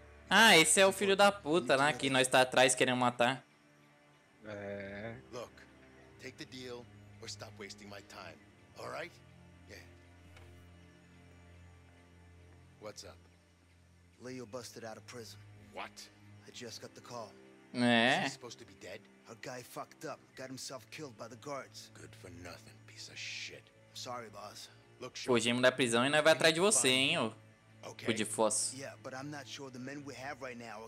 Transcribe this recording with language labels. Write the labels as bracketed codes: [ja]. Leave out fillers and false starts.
[pt] Ah, esse é o filho da puta lá, que nós tá atrás querendo matar. É. [en] Look, take the deal or stop wasting my time. All right? Yeah. What's up? Leo busted out of prison. What? I just got the call. [pt] É. [en] He's supposed to be dead. Our guy fucked up, got himself killed by the guards. Good for nothing, piece of shit. Sorry, boss. [pt] Look, fugimos da prisão e nós vai atrás de você, hein, ô. Okay. O de fosse. [en] Yeah, but I'm not sure the men we have right now are